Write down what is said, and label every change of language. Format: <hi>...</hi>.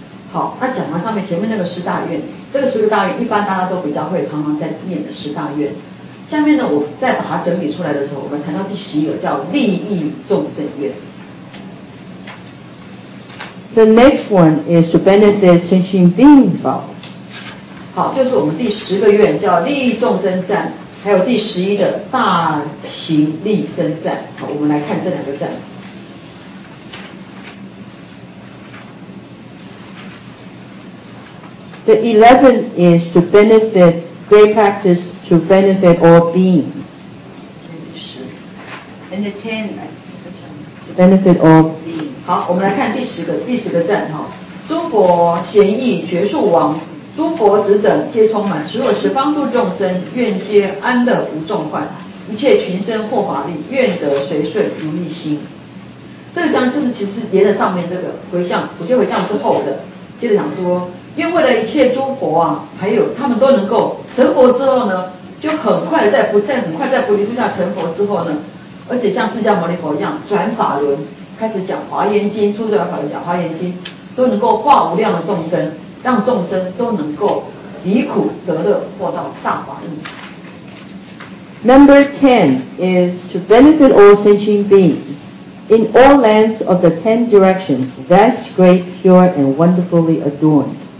<zh>好，那讲完上面前面那个十大愿，这个十个大愿一般大家都比较会常常在念的十大愿。下面呢，我再把它整理出来的时候，我们谈到第十一个叫利益众生愿。</zh> <en>The next one is to benefit sentient beings' vows.</en> <zh>好，就是我们第十个愿叫利益众生赞，还有第十一的大行利生赞。好，我们来看这两个赞。</zh> <en>The 11th is to benefit great practice to benefit all beings. And the 10th. Benefit of</en> <zh>好，我们来看第十个赞哈。诸佛贤义觉树王，诸佛子等皆充满，所有十方度众生，愿皆安乐无众患，一切群生获法力，愿得随顺如意心。这个章就是其实连着上面这个回向普贤回向之后的，接着讲说，愿为了一切诸佛啊，还有他们都能够成佛之后呢，就很快的在菩提树下成佛之后呢。而且像释迦牟尼佛一样转法轮，开始讲华严经，初转法轮讲华严经，都能够化无量的众生，让众生都能够离苦得乐，获到大法印。</zh> <en>Number 10 is to benefit all sentient beings in all lands of the 10 directions, vast, great, pure, and wonderfully adorned.</en>